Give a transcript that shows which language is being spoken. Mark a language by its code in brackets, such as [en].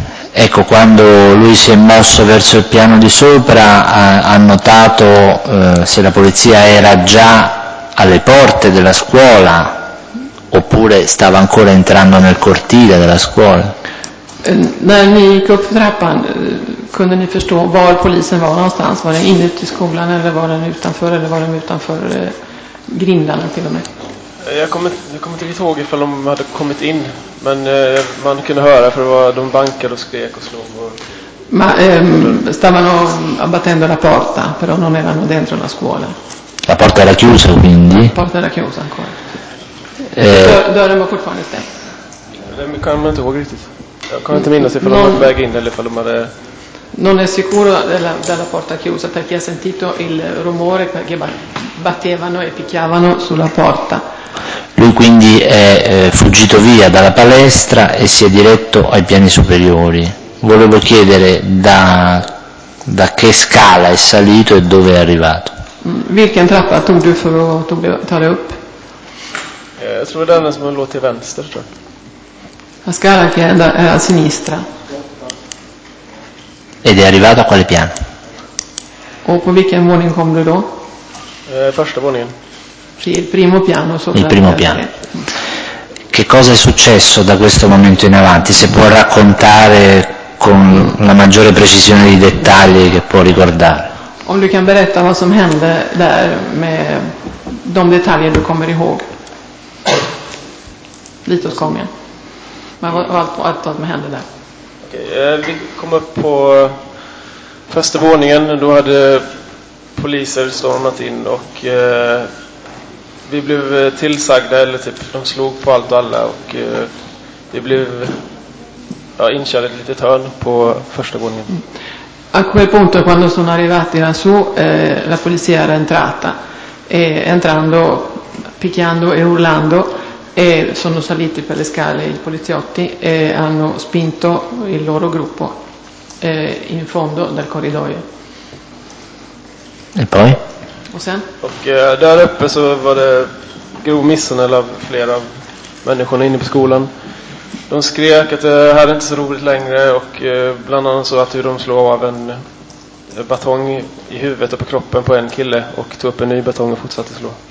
[it] È ecco, quando lui si è mosso verso il piano di sopra, ha notato se la polizia era già alle porte della scuola oppure stava ancora entrando nel cortile della scuola? [sv] När ni gick upp för trappan, kunde ni förstå var polisen var någonstans? Var den inuti skolan eller var den utanför? Eller var den utanför grindarna till och med? Jag kommer inte ihåg ifall de hade kommit in. Men man kunde höra, för det var, de bankade och skrek och slog. [it] Ma stavano abbattendo la porta, però non erano dentro la scuola. La porta era chiusa, quindi? La porta era chiusa ancora. [sv] Dörren var fortfarande stängd. Det kommer jag inte ihåg riktigt. Jag kan inte minnas ifall de var på väg in eller ifall de hade... [it] Non è sicuro della porta chiusa, perché ha sentito il rumore, perché battevano e picchiavano sulla porta. Lui quindi è fuggito via dalla palestra e si è diretto ai piani superiori. Volevo chiedere da che scala è salito e dove è arrivato. [sv] Vilken trappa tog du för att ta dig upp? Jag tror det är den som låg till vänster, tror jag. [it] La scala che è a sinistra. Ed è arrivato a quale piano? [sv] O på vilken våning kom du då? Första våningen. [it] Sì, il primo piano sopra. Il primo piano. Che cosa è successo da questo momento in avanti? Se può raccontare con la maggiore precisione di dettagli che può ricordare. [sv] Om du kan berätta vad som hände där med de detaljer du kommer ihåg. Lite åt gången. Men vad som hände där? Okej, vi kom upp på första våningen. Då hade poliser stormat in och vi blev tillsagda, eller typ de slog på allt och alla, och vi blev inkörda i ett litet hörn på första våningen. [it] A quel punto, quando sono arrivati lassù, la polizia era entrata, e entrando, picchiando e urlando, e sono saliti per le scale i poliziotti e hanno spinto il loro gruppo in fondo del corridoio. E poi? [sv] Och sen? Och där uppe så var det grov misshandel av flera av människorna inne på skolan. De skrek att det här är inte så roligt längre, och bland annat så att de slog av en batong i huvudet och på kroppen på en kille och tog upp en ny batong och fortsatte slå.